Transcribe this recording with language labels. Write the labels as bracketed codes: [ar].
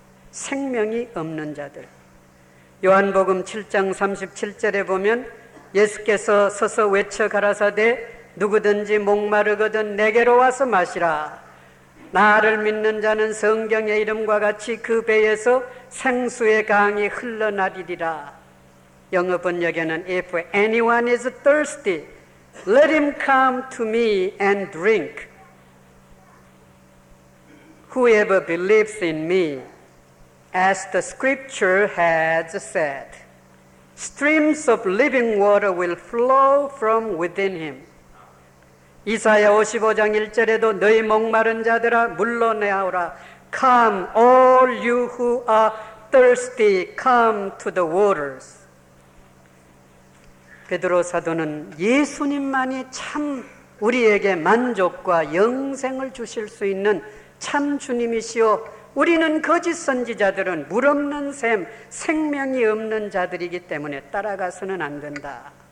[ko] 생명이 없는 자들. 요한복음 7장 37절에 보면 예수께서 서서 외쳐 가라사대 누구든지 목마르거든 내게로 와서 마시라. 나를 믿는 자는 성경의 이름과 같이 그 배에서 생수의 강이 흘러나리리라. 영어 번역에는 [en] If anyone is thirsty, let him come to me and drink. Whoever believes in me, as the scripture has said, streams of living water will flow from within him. [ko] 이사야 55장 1절에도 너희 목마른 자들아 물로 내하오라. [en] Come all you who are thirsty, come to the waters. [ko] 베드로 사도는 예수님만이 참 우리에게 만족과 영생을 주실 수 있는 참 주님이시오, 우리는 거짓 선지자들은 물 없는 샘, 생명이 없는 자들이기 때문에 따라가서는 안 된다.